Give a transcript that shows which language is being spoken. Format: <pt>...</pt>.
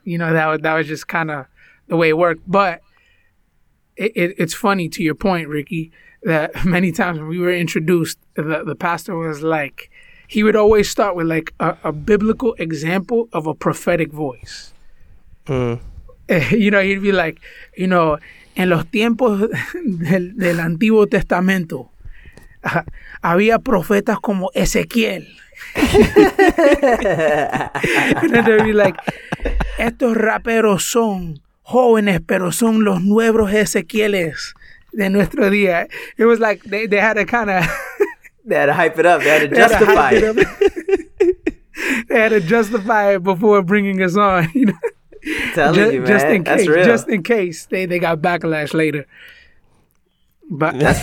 <en>You know, that was just kind of the way it worked. But it's funny, to your point, Ricky, that many times when we were introduced, the pastor was like, he would always start with like a biblical example of a prophetic voice. You know, he'd be like, you know,</en> <es>en los tiempos del Antiguo Testamento, había profetas como Ezequiel.</es> <en>And then they'd be like,</en> <es>estos raperos son jóvenes, pero son los nuevos Ezequieles de nuestro día.</es> <en>It was like they had a kind of... They had to hype it up. They had to justify it. They had to justify it before bringing us on. You know? Just in case they got backlash later. But that's</en>